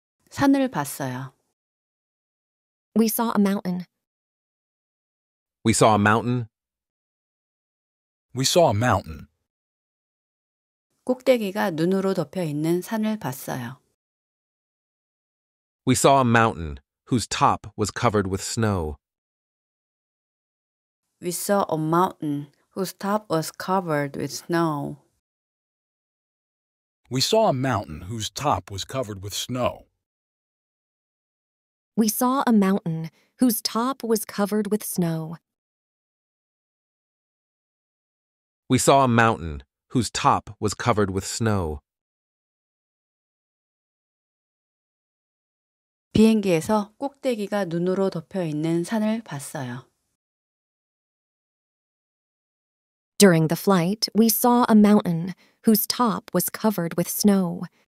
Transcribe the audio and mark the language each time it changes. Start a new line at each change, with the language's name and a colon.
Korean: 산을 봤어요.
English: We saw a mountain. We saw a mountain. We saw a mountain.
Korean: 꼭대기가 눈으로 덮여 있는 산을 봤어요.
English: We saw a mountain whose top was covered with snow. We saw a mountain whose top was covered with snow. We saw a mountain whose top was covered with snow. We saw a mountain whose top was covered with snow. We saw a mountain whose top was covered with snow.
Korean: 비행기에서 꼭대기가 눈으로 덮여 있는 산을 봤어요.
English: During the flight, we saw a mountain whose top was covered with snow.